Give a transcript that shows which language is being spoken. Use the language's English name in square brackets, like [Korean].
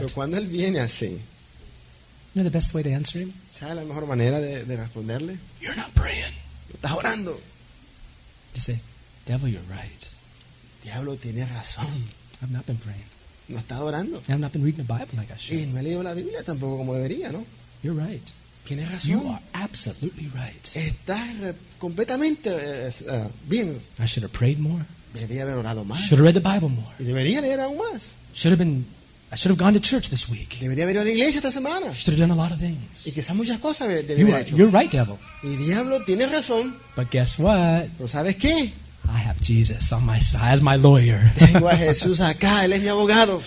[Spanish] pero cuando él viene así, [English] you know the best way to answer him? [Spanish] ¿Sabes la mejor manera de responderle? [English] You're not praying. [Spanish] No estás orando. [English] To say, devil, you're right. [Spanish] Diablo tiene razón. [English] I've not been praying. [Spanish] No está orando. [English] I've not been reading the Bible like I should. [Spanish] Y no he leído la Biblia tampoco como debería, ¿no? [English] You're right. [Spanish] Tiene razón. [English] You are absolutely right. [Spanish] Estás completamente bien. [English] I should have prayed more. [Spanish] Debería haber orado más. [English] Should have read the Bible more. [Spanish] Y debería leer aún más. [English] I should have gone to church this week. [Spanish] Debería haber ido a la iglesia esta semana. [English] Should have done a lot of things. [Spanish] Y quizás muchas cosas debería haber hecho. [English] You're right, devil. [Spanish] Y diablo tiene razón. [English] But guess what? [Spanish] ¿Pero sabes qué? [English] I have Jesus on my side as my lawyer. [Spanish] Tengo a Jesús acá, él es mi abogado.